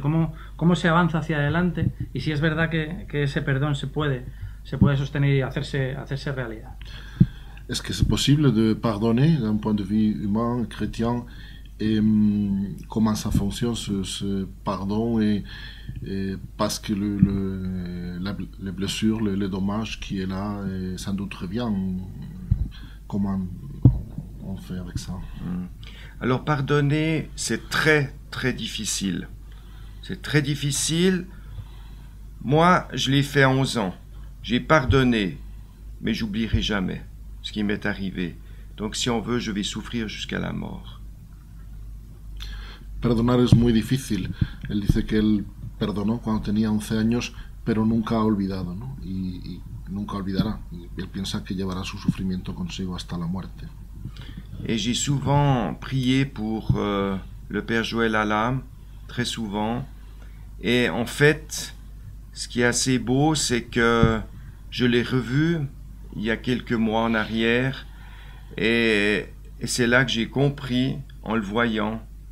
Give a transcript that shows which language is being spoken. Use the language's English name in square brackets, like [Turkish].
[Spanish] ¿Cómo se avanza hacia adelante? Y si es verdad que ese perdón se puede sostener y hacerse realidad. ¿Es que es posible de perdonar desde un punto de vista humano, cristiano? [French] Et comment ça fonctionne ce pardon et parce que les blessures, les dommages qui est là, et sans doute revient. Comment on fait avec ça? Alors pardonner, c'est très très difficile. C'est très difficile. Moi, je l'ai fait à 11 ans. J'ai pardonné, mais j'oublierai jamais ce qui m'est arrivé. Donc si on veut, je vais souffrir jusqu'à la mort. [Spanish] Perdonar es muy difícil. Él dice que él perdonó cuando tenía 11 años, pero nunca ha olvidado, ¿no? Y nunca olvidará. Y él piensa que llevará su sufrimiento consigo hasta la muerte. [French] Et j'ai souvent prié pour le père Joël Alam, très souvent. Et en fait, ce qui est assez beau, c'est que je l'ai revu il y a quelques mois en arrière, et c'est là que j'ai compris en le voyant